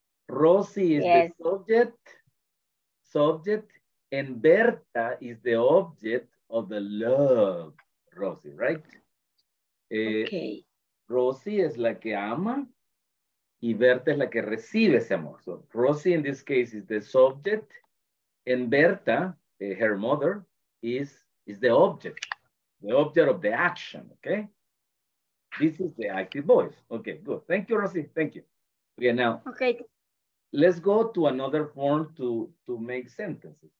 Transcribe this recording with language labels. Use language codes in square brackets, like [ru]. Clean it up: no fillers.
[en] Rosy is the subject, and Berta is the object of the love, Rosy, right? Okay. [es] Rosy es la que ama, y Berta es la que recibe ese amor. [en] So, Rosy in this case is the subject, and Berta, her mother, is the object of the action, okay? This is the active voice. Okay, good. Thank you, Rosy. Thank you. Okay, now. Okay. Let's go to another form to make sentences.